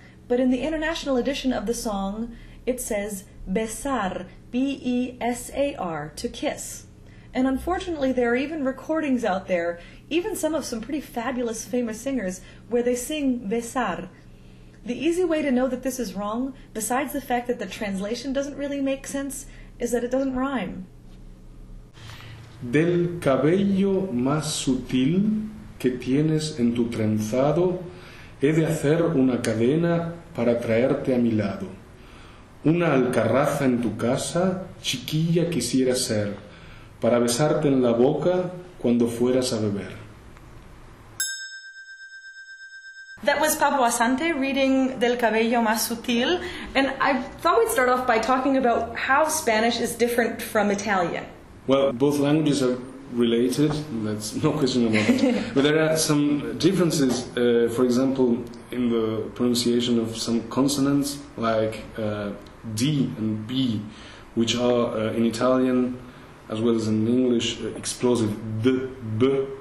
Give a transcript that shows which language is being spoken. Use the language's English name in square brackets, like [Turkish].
[English] But in the international edition of the song, it says besar, B-E-S-A-R, to kiss. And unfortunately, there are even recordings out there, even some of some pretty fabulous famous singers, where they sing besar. The easy way to know that this is wrong, besides the fact that the translation doesn't really make sense, is that it doesn't rhyme. [Spanish] Del cabello más sutil que tienes en tu trenzado, he de hacer una cadena para traerte a mi lado. Una alcarraza en tu casa, chiquilla quisiera ser, para besarte en la boca cuando fueras a beber. [English] That was Pablo Asante reading Del Cabello Más Sutil, and I thought we'd start off by talking about how Spanish is different from Italian. Well, both languages are related, that's no question about it. But there are some differences, for example, in the pronunciation of some consonants, like D and B, which are in Italian, as well as in English, explosive, D, B.